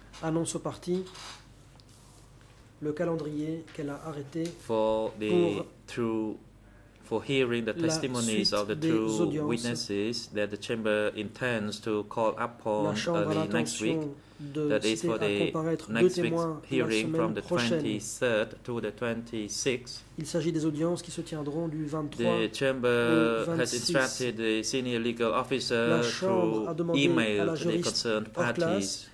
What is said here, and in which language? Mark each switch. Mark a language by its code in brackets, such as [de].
[fr] annonce aux parties le calendrier qu'elle a arrêté [en] for the true for hearing the testimonies of the two witnesses that the chamber intends to call upon early next week, that is for the next week's hearing from the 23rd to the 26th. [fr] Il s'agit des audiences qui se tiendront du 23 [en] the chamber has instructed the senior legal officer through email to the concerned parties